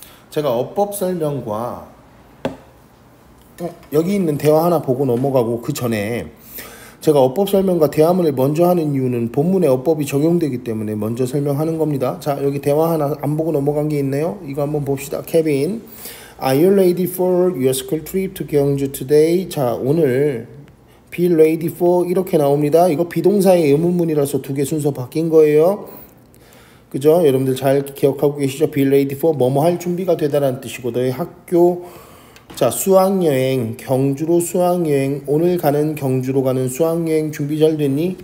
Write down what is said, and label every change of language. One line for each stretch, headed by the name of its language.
Korean: 제가 어법 설명과 여기 있는 대화 하나 보고 넘어가고 그 전에 제가 어법 설명과 대화문을 먼저 하는 이유는 본문에 어법이 적용되기 때문에 먼저 설명하는 겁니다. 자, 여기 대화 하나 안 보고 넘어간 게 있네요. 이거 한번 봅시다.
English: 케빈, Are you ready for your school trip to 경주 today?
Korean: 자, 오늘
English: be ready for
Korean: 이렇게 나옵니다. 이거 비동사의 의문문이라서 두 개 순서 바뀐 거예요. 그죠? 여러분들 잘 기억하고 계시죠?
English: be ready for
Korean: 뭐뭐 할 준비가 되다라는 뜻이고 너의 학교 자 수학여행 경주로 수학여행 오늘 가는 경주로 가는 수학여행 준비 잘 됐니?